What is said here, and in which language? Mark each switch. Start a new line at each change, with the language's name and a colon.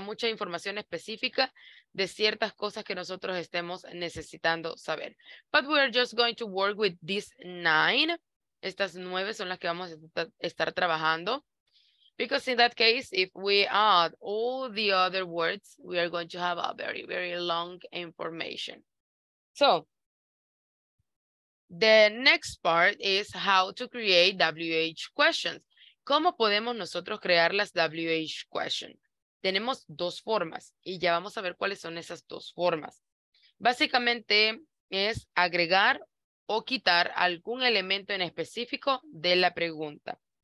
Spanish: Mucha información específica de ciertas cosas que nosotros estemos necesitando saber.
English: But we are just going to work with these 9.
Spanish: Estas 9 son las que vamos a estar trabajando.
English: Because in that case, if we add all the other words, we are going to have a very, very long information. So, the next part is how to create WH questions.
Spanish: ¿Cómo podemos nosotros crear las WH questions? Tenemos 2 formas y ya vamos a ver cuáles son esas 2 formas. Básicamente es agregar o quitar algún elemento en específico de la pregunta.